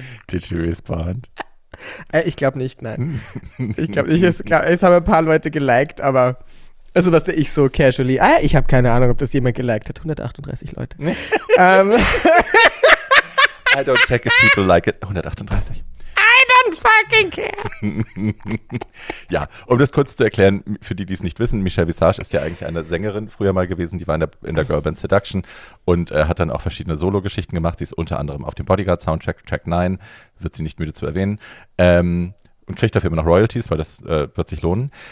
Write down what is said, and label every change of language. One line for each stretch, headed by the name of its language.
English: Did she respond?
German: Ich glaube nicht, nein. Ich glaube nicht, es haben ein paar Leute geliked, aber, also was ich so casually, ich habe keine Ahnung, ob das jemand geliked hat, 138 Leute.
English: I don't check if people like it, 138. I don't fucking care.
German: Ja, um das kurz zu erklären, für die es nicht wissen, Michelle Visage ist ja eigentlich eine Sängerin früher mal gewesen, die war in der Girlband Seduction und hat dann auch verschiedene Solo-Geschichten gemacht, sie ist unter anderem auf dem Bodyguard-Soundtrack, Track 9, wird sie nicht müde zu erwähnen, und kriegt dafür immer noch Royalties, weil das wird sich lohnen.